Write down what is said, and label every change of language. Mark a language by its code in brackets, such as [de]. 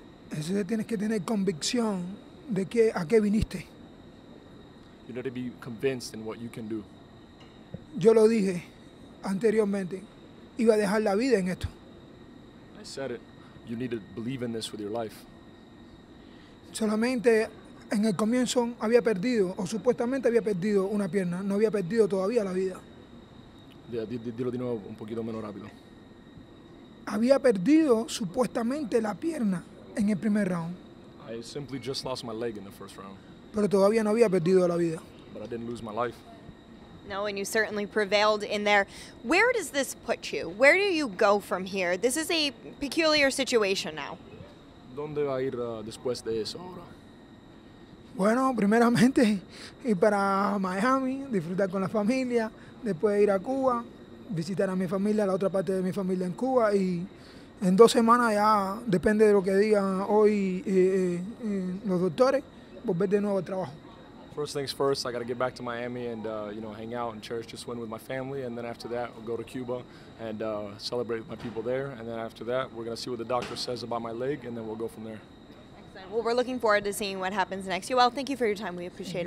[es] Eso tienes que tener convicción de que a qué viniste. [en] You need to be convinced in what you can do. [es] Yo lo dije anteriormente, iba a dejar la vida en esto. [en] I said it. You need to believe in this with your life. [es] Solamente en el comienzo había perdido, o supuestamente había perdido una pierna. No había perdido todavía la vida. Dilo de nuevo un poquito menos rápido. Había perdido supuestamente la pierna en el primer round. [en] I simply just lost my leg in the first round. [es] Pero todavía no había perdido la vida. [en] But I didn't lose my life. No, and you certainly prevailed in there. Where does this put you? Where do you go from here? This is a peculiar situation now. [es] ¿Dónde va a ir después de eso ahora? Bueno, primeramente ir para Miami, disfrutar con la familia. Después ir a Cuba, visitar a mi familia, la otra parte de mi familia en Cuba. Y en dos semanas ya, depende de lo que digan hoy los doctores, volver de nuevo al trabajo. [en] First things first, I got to get back to Miami and hang out and cherish this win with my family, and then after that we'll go to Cuba and celebrate with my people there, and then after that we're going to see what the doctor says about my leg, and then we'll go from there. Excellent. Well, we're looking forward to seeing what happens next. Yoel, thank you for your time. We appreciate